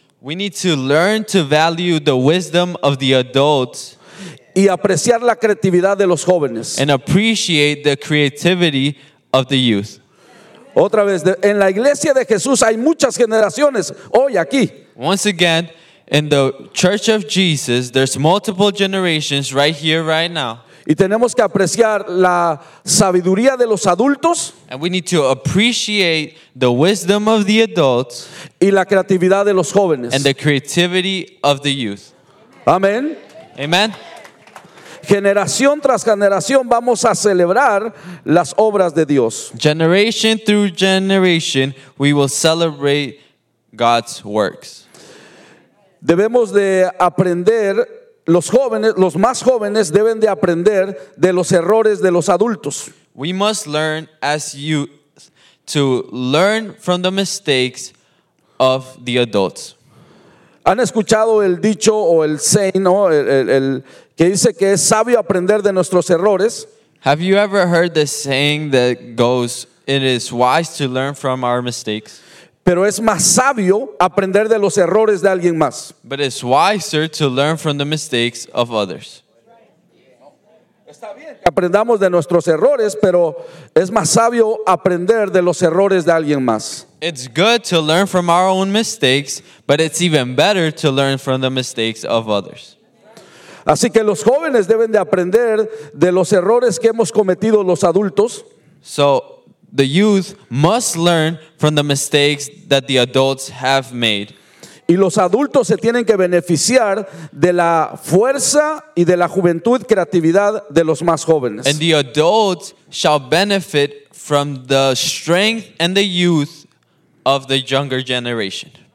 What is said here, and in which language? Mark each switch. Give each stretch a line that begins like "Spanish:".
English: We need to learn to value the wisdom of the adults.
Spanish: Y apreciar la creatividad de los jóvenes.
English: And appreciate the creativity of the youth.
Spanish: Otra vez, en la iglesia de Jesús hay muchas generaciones hoy aquí.
English: Once again, in the church of Jesus, there's multiple generations right here, right now.
Spanish: Y tenemos que apreciar la sabiduría de los adultos.
English: And we need to appreciate the wisdom of the adults.
Spanish: Y la creatividad de los jóvenes.
English: And the creativity of the youth.
Spanish: Amén.
English: Amen.
Spanish: Generación tras generación vamos a celebrar las obras de Dios.
English: Generation through generation, we will celebrate God's works.
Spanish: Debemos de aprender, los jóvenes, los más jóvenes deben de aprender de los errores de los adultos.
English: We must learn as youth to learn from the mistakes of the adults.
Spanish: ¿Han escuchado el dicho o el saying, no? El que dice que es sabio aprender de nuestros errores.
English: Have you ever heard the saying that goes, it is wise to learn from our mistakes?
Spanish: Pero es más sabio aprender de los errores de alguien más.
English: But it's wiser to learn from the mistakes of others.
Spanish: Está bien que aprendamos de nuestros errores, pero es más sabio aprender de los errores de alguien más.
English: It's good to learn from our own mistakes, but it's even better to learn from the mistakes of others.
Spanish: Así que los jóvenes deben de aprender de los errores que hemos cometido los adultos.
English: So, the youth must learn from the mistakes that the adults have made.
Spanish: Y los adultos se tienen que beneficiar de la fuerza y de la juventud, creatividad de los más jóvenes.
English: And the adults shall benefit from the strength and the youth of the younger generation.